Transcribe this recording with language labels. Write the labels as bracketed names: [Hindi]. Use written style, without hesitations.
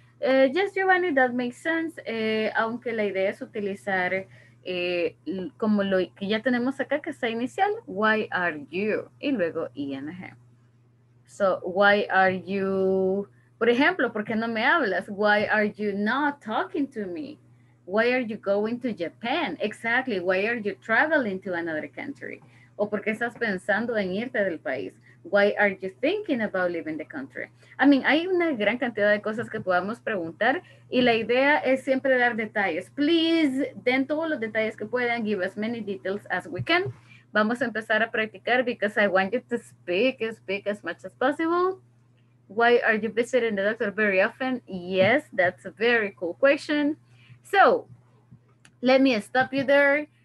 [English] Yes, Giovanni, that makes sense. [Spanish] Aunque la idea es utilizar como lo que ya tenemos acá, que está inicial, [English] why are you, [Spanish] y luego ing. [English] So, why are you, [Spanish] por ejemplo, ¿por qué no me hablas? [English] Why are you not talking to me? Why are you going to Japan? Exactly, why are you traveling to another country? [Spanish] ¿O por qué estás pensando en irte del país? [English] Why are you thinking about leaving the country? I mean, [Spanish] hay una gran cantidad de cosas que podamos preguntar y la idea es siempre dar detalles. [English] Please, [Spanish] den todos los detalles que puedan. [English] Give as many details as we can. [Spanish] Vamos a empezar a practicar [English] because I want you to speak as much as possible. Why are you visiting the doctor very often? Yes, that's a very cool question. So, let me stop you there.